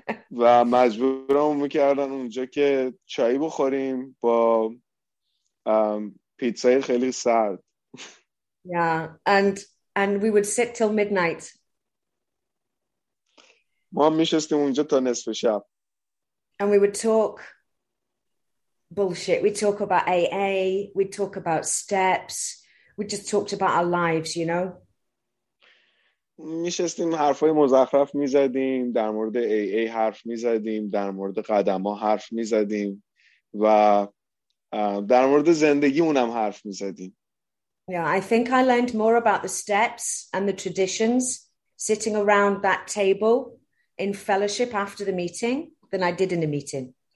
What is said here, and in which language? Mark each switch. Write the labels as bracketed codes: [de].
[fa] و مجبورمون میکردن اونجا که چای بخوریم با پیتزای خیلی سرد. [en] Yeah, and we would sit till midnight. [fa] ما میشستیم اونجا تا نصف شب. [en] And we would talk bullshit. We'd talk about AA. We'd talk about steps. We just talked about our lives, you know. [fa] میشستیم حرفای مزخرف میزدیم در مورد AA حرف میزدیم در مورد قدما حرف میزدیم و در مورد زندگیمون هم حرف میزدیم. [en] Yeah, I think I learned more about the steps and the traditions sitting around that table in fellowship after the meeting than I did in the meeting.